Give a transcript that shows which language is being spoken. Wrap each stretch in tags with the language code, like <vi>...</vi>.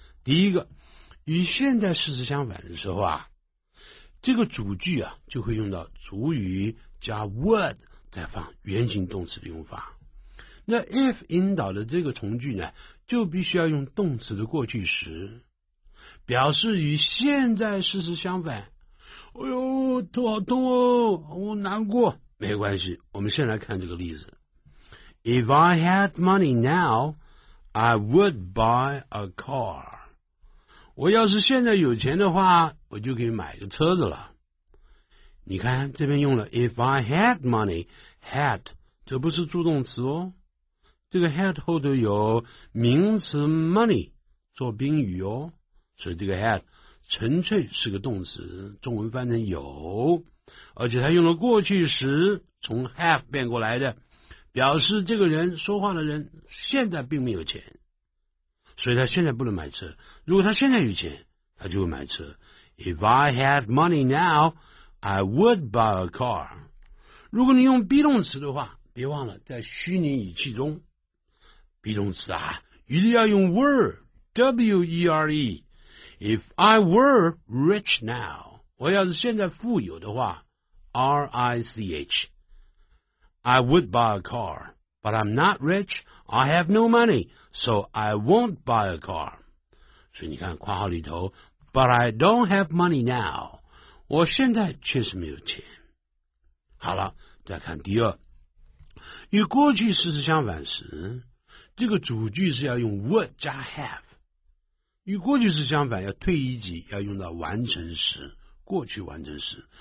<zh>第一个，与现在事实相反的时候啊，这个主句啊就会用到主语加 would 再放原形动词的用法。那 if 引导的这个从句呢，就必须要用动词的过去时，表示与现在事实相反。哎呦，头好痛哦，我难过。没关系，我们先来看这个例子。</zh> <en>If I had money now, I would buy a car.</en> <zh>我要是现在有钱的话，我就可以买个车子了。你看，这边用了 if I had money, had, 这不是助动词哦。这个 had 后头有名词 money, 做宾语哦。所以这个 had 纯粹是个动词，中文翻成有，而且他用了过去时从 have 变过来的，表示这个人说话的人现在并没有钱，所以他现在不能买车。如果他现在有钱，他就会买车。</zh> <en>If I had money now, I would buy a car。</en> <zh>如果你用 be 动词的话，别忘了在虚拟语气中 be 动词啊一定要用 were, W-E-R-E。</zh> <en>If I were rich now,</en> <zh>我要是现在富有的话</zh> <en>,R-I-C-H, I would buy a car, but I'm not rich, I have no money, so I won't buy a car.</en> <zh>所以你看括号里头 ,</zh> <en>but I don't have money now,</en> <zh>我现在确实没有钱。好了，再看第二。与过去事实相反时，这个主句是要用 would 加 have。与过去式相反，要退一级，要用到完成时，过去完成时。</zh>